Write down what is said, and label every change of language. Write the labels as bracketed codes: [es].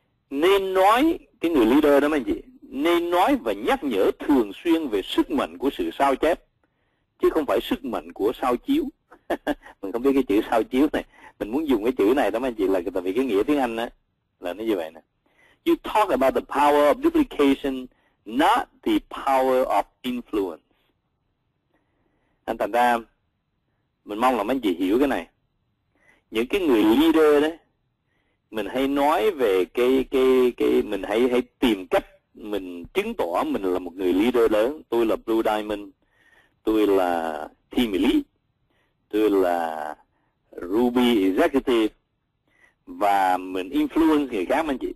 [vi] Nên nói, cái người leader đó mấy anh chị, nên nói và nhắc nhở thường xuyên về sức mạnh của sự sao chép, chứ không phải sức mạnh của sao chiếu. Mình không biết cái chữ sao chiếu này, mình muốn dùng cái chữ này đó mấy anh chị, là tại vì cái nghĩa tiếng Anh á là nó như vậy nè. [en] You talk about the power of duplication, not the power of influence. [vi] Thành ra mình mong là mấy anh chị hiểu cái này. Những cái người leader đó, mình hay nói về cái mình hay hay tìm cách mình chứng tỏ mình là một người leader lớn. Tôi là Blue Diamond, tôi là Team Elite, tôi là Ruby Executive, và mình influence người khác anh chị.